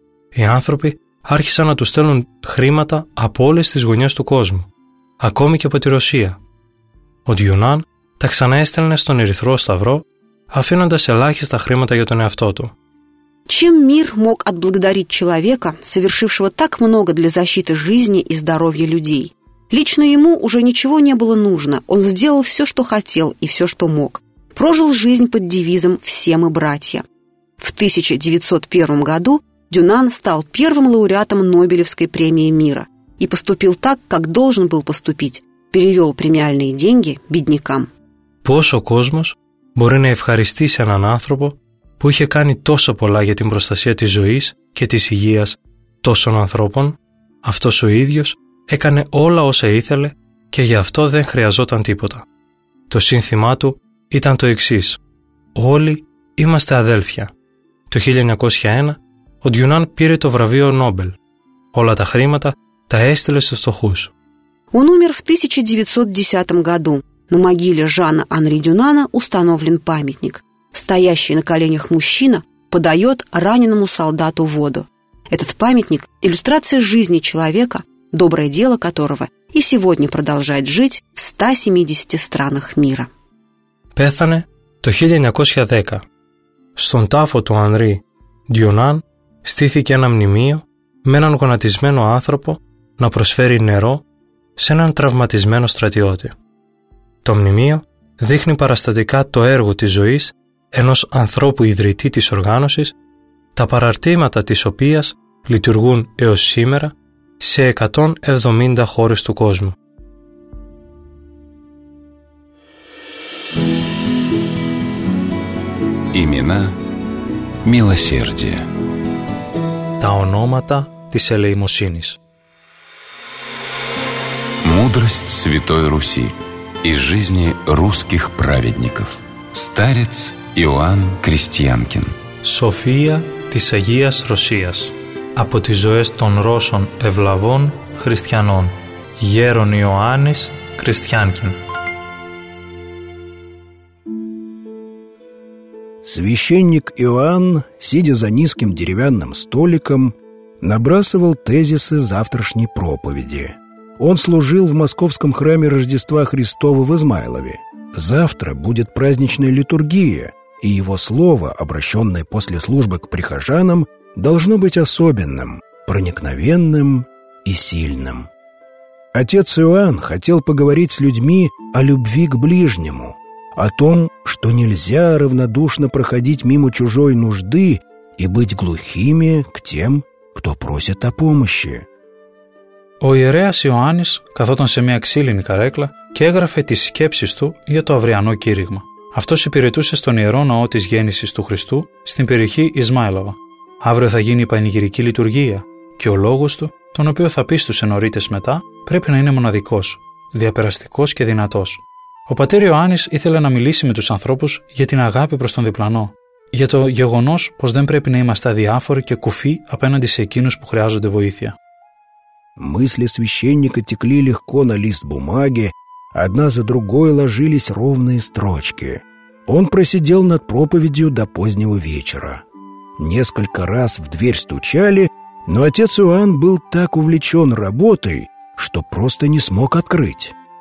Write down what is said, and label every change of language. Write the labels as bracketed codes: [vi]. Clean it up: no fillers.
[el] Οι άνθρωποι άρχισαν να του στέλνουν χρήματα από όλες τις γωνιές του κόσμου, ακόμη και από τη Ρωσία. Ο Ντιουνάν τα ξαναέστελνε στον Ερυθρό Σταυρό, αφήνοντας ελάχιστα χρήματα για τον εαυτό του. [ru] Чем мир мог отблагодарить человека, совершившего так много для защиты жизни и здоровья людей? Лично ему уже ничего не было нужно, он сделал все, что хотел и все, что мог. Прожил жизнь под девизом «Все мы братья». В 1901 году Дюнан стал первым лауреатом Нобелевской премии мира и поступил так, как должен был поступить, перевел премиальные деньги беднякам. [el] Πόσο κόσμος μπορεί να ευχαριστήσει έναν άνθρωπο που είχε κάνει τόσο πολλά για την προστασία της ζωής και της υγείας τόσων ανθρώπων, αυτός ο ίδιος έκανε όλα όσα ήθελε και γι' αυτό δεν χρειαζόταν τίποτα. Το σύνθημά του ήταν το εξής: «Όλοι είμαστε αδέλφια». Το 1901 ο Ντιουνάν πήρε το βραβείο Νόμπελ. Όλα τα χρήματα τα έστειλε στους φτωχούς. [ru] Он умер в 1910 году. На могиле Жана Анри Дюнана установлен памятник. Стоящий на коленях мужчина подает раненому солдату воду. Этот памятник – иллюстрация жизни человека, доброе дело которого и сегодня продолжает жить в 170 странах мира. [el] Πέθανε το 1910. Στον τάφο του Ανρί Ντιουνάν στήθηκε ένα μνημείο με έναν γονατισμένο άνθρωπο να προσφέρει νερό σε έναν τραυματισμένο στρατιώτη. Το μνημείο δείχνει παραστατικά το έργο της ζωής ενός ανθρώπου ιδρυτή της οργάνωσης, τα παραρτήματα της οποίας λειτουργούν έως σήμερα σε 170 χώρες του κόσμου. [ru] Имена милосердия. [el] Τα ονόματα της ελεημοσύνης. [ru] Мудрость Святой Руси. Из жизни русских праведников. Старец Иоанн Крестьянкин. [el] Σοφία της Αγίας Ρωσίας. Από τις ζωές των Ρώσων ευλαβών χριστιανών. Γέρον Ιωάννης Κριστιάνκιν. [ru] Священник Иоанн, сидя за низким деревянным столиком, набрасывал тезисы завтрашней проповеди. Он служил в Московском храме Рождества Христова в Измайлове. Завтра будет праздничная литургия, и его слово, обращенное после службы к прихожанам, должно быть особенным, проникновенным и сильным. Отец Иоанн хотел поговорить с людьми о любви к ближнему, о том, что нельзя равнодушно проходить мимо чужой нужды и быть глухими к тем, кто просит о помощи. [el] Ο ιερέας Ιωάννης καθόταν σε μια ξύλινη καρέκλα και έγραφε τις σκέψεις του για το αυριανό κήρυγμα. Αυτός υπηρετούσε στον ιερό ναό της γέννησης του Χριστού στην περιοχή Ισμάιλοβα. Αύριο θα γίνει η πανηγυρική λειτουργία και ο λόγος του, τον οποίο θα πει στους ενωρίτες μετά, πρέπει να είναι μοναδικός, διαπεραστικός και δυνατός. Ο πατήρ Ιωάννης ήθελε να μιλήσει με τους ανθρώπους για την αγάπη προς τον διπλανό, για το γεγονός πως δεν πρέπει να είμαστε αδιάφοροι και κουφοί απέναντι σε εκείνους που χρειάζονται βοήθεια. [ru] Мысли священника текли легко на лист бумаги, одна за другой ложились ровные строчки. Он просидел над проповедью до позднего вечера. Несколько раз в дверь стучали, но отец Иоанн был так увлечен работой, что просто не смог открыть.